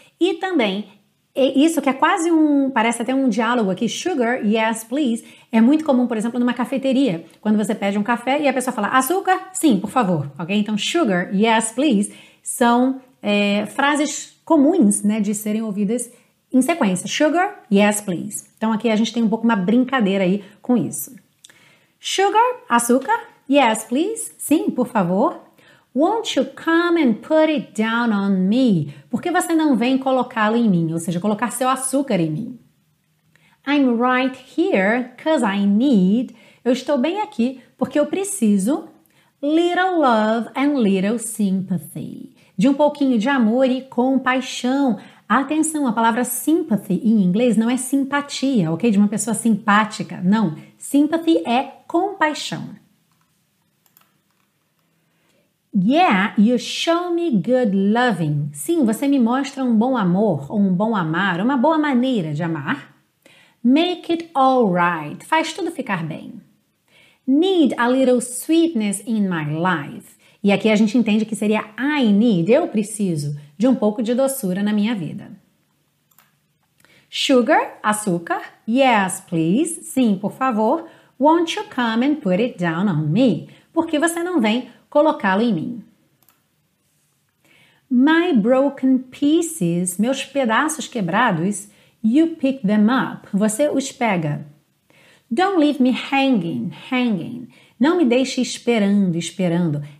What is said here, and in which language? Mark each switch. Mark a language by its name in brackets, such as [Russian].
[Portuguese] E também, isso que é quase parece até um diálogo aqui, [English] sugar, yes, please, [Portuguese] é muito comum, por exemplo, numa cafeteria, quando você pede um café e a pessoa fala, açúcar, sim, por favor, ok? Então, [English] sugar, yes, please, [Portuguese] são frases comuns, né, de serem ouvidas em sequência, sugar, yes, please. Então, aqui a gente tem um pouco uma brincadeira aí com isso. [English] Sugar, [Portuguese] açúcar, [English] yes, please, [Portuguese] sim, por favor. [English] Won't you come and put it down on me? [Portuguese] Por que você não vem colocá-lo em mim? Ou seja, colocar seu açúcar em mim. [English] I'm right here because I need. [Portuguese] Eu estou bem aqui porque eu preciso. [English] Little love and little sympathy. [Portuguese] De um pouquinho de amor e compaixão. Atenção, a palavra sympathy em inglês não é simpatia, ok? De uma pessoa simpática. Não. Sympathy é compaixão. [English] Yeah, you show me good loving. [Portuguese] Sim, você me mostra um bom amor, ou um bom amar, uma boa maneira de amar. [English] Make it all right. [Portuguese] Faz tudo ficar bem. [English] Need a little sweetness in my life. [Portuguese] E aqui a gente entende que seria [English] I need, [Portuguese] eu preciso, de um pouco de doçura na minha vida. [English] Sugar, [Portuguese] açúcar. [English] Yes, please. [Portuguese] Sim, por favor. [English] Won't you come and put it down on me? [Portuguese] Porque você não vem colocá-lo em mim. [English] My broken pieces, [Portuguese] meus pedaços quebrados, [English] you pick them up, [Portuguese] você os pega. [English] Don't leave me hanging. [Portuguese] Não me deixe esperando.